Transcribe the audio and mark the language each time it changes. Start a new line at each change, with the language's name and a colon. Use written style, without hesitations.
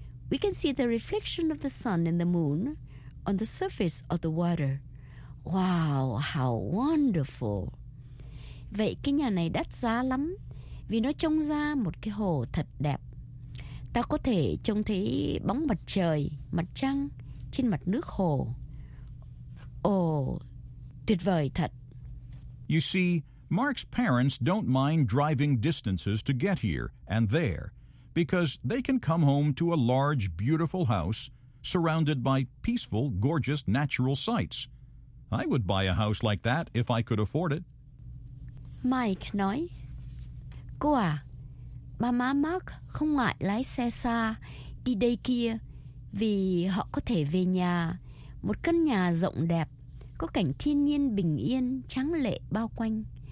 English: We can see the reflection of the sun and the moon on the surface of the water. Wow, how wonderful.
Vietnamese: Vậy cái nhà này đắt giá lắm vì nó trông ra một cái hồ thật đẹp. Ta có thể trông thấy bóng mặt trời, mặt trăng trên mặt nước hồ. Tuyệt vời thật.
English: You see, Mark's parents don't mind driving distances to get here and there because they can come home to a large, beautiful house, surrounded by peaceful, gorgeous natural sights. I would buy a house like that if I could afford it.
Vietnamese: Mike nói, Cô à, ba má Mark không ngại lái xe xa đi đây kia vì họ có thể về nhà. Một căn nhà rộng đẹp, có cảnh thiên nhiên bình yên, tráng lệ bao quanh.